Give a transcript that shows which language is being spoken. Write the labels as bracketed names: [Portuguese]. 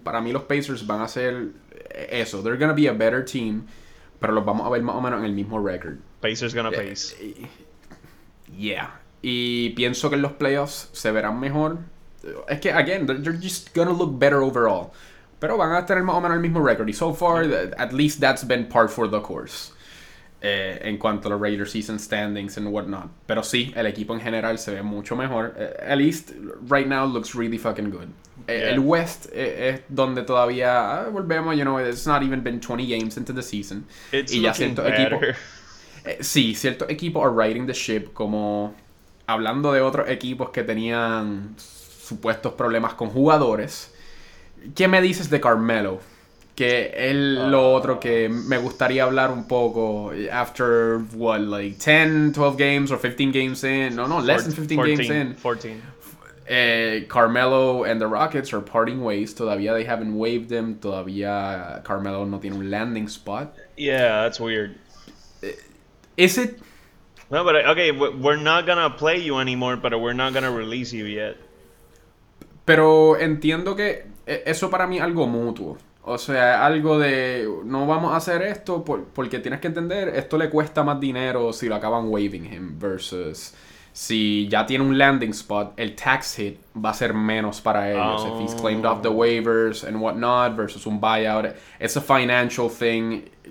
[Spanish] Para mí los Pacers van a ser eso. [English] They're gonna be a better team, [Spanish] pero los vamos a ver más o menos en el mismo record. [English] Pacers gonna pace. Yeah. [Spanish] Y pienso que en los playoffs se verán mejor. Es que [English] again, they're just gonna look better overall. [Spanish] Pero van a tener más o menos el mismo record. [English] Y so far, at least that's been par for the course. [Spanish] En cuanto a los [English] regular season standings and whatnot. [Spanish] Pero sí, el equipo en general se ve mucho mejor. [English] At least, right now, looks really fucking good. Yeah. [Spanish] El West es donde todavía volvemos, [English] you know, it's not even been 20 games into the season. It's looking better. Equipo, [Spanish] sí, ciertos equipos [English] are riding the ship. [Spanish] Como hablando de otros equipos que tenían supuestos problemas con jugadores. ¿Qué me dices de Carmelo? Que es lo otro que me gustaría hablar un poco. [English] After, what, like 10, 12 games or 15 games in? No, less than 15 games in. 14. Carmelo and the Rockets are parting ways. Todavía they haven't waived them. [Spanish] Todavía Carmelo no tiene un landing spot. [English] Yeah, that's weird. Is it? No, but okay, we're not gonna play you anymore, but we're not gonna release you yet. [Spanish] Pero entiendo que eso para mí es algo mutuo. O sea, algo de no vamos a hacer esto porque tienes que entender, esto le cuesta más dinero si lo acaban [English] waiving him [Spanish] versus si ya tiene un landing spot, el tax hit va a ser menos para ellos. [English] If he's claimed off the waivers and whatnot versus un buyout, it's a financial thing.